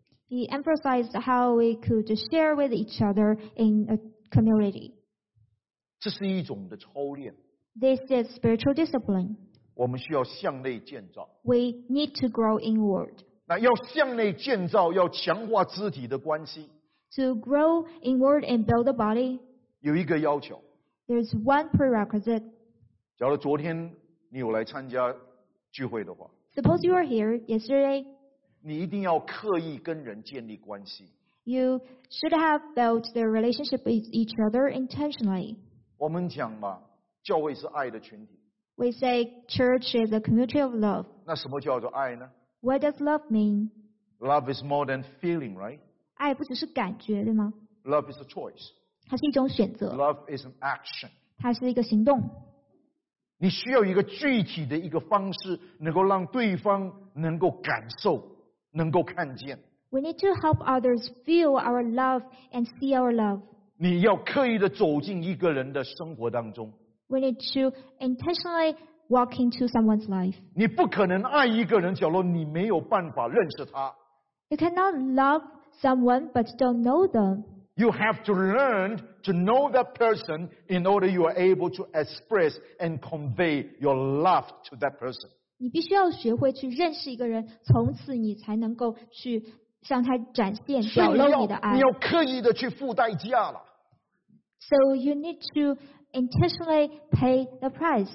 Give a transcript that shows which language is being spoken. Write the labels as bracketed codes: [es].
[en] He emphasized how we could share with each other in a community. [zh] 这是一种的操练。 [en] This is spiritual discipline. [zh] 我们需要向内建造。 [en] We need to grow inward. [zh] 那要向内建造，要强化肢体的关系。 [en] To grow inward and build the body. [zh] 有一个要求。 [en] There's one prerequisite. [zh] 假如昨天你有来参加聚会的话 [en] Suppose you are here yesterday. [zh] 你一定要刻意跟人建立关系。 [en] You should have built the relationship with each other intentionally. [zh] 我们讲嘛，教会是爱的群体。 [en] We say church is a community of love. [zh] 那什么叫做爱呢？ [en] What does love mean? Love is more than feeling, right? [zh] 爱不只是感觉，对吗？ [en] Love is a choice. [zh] 它是一种选择。 [en] Love is an action. [zh] 它是一个行动。你需要一个具体的一个方式，能够让对方能够感受，能够看见。 [en] We need to help others feel our love and see our love. [zh] 你要刻意的走进一个人的生活当中。 [en] We need to intentionally walk into someone's life. [zh] 你不可能爱一个人，假如你没有办法认识他。 [en] You cannot love someone but don't know them. You have to learn to know that person in order you are able to express and convey your love to that person. [zh] 你必须要学会去认识一个人，从此你才能够去向他展现表露你的爱。你要刻意的去付代价了。 [en] So you need to intentionally pay the price.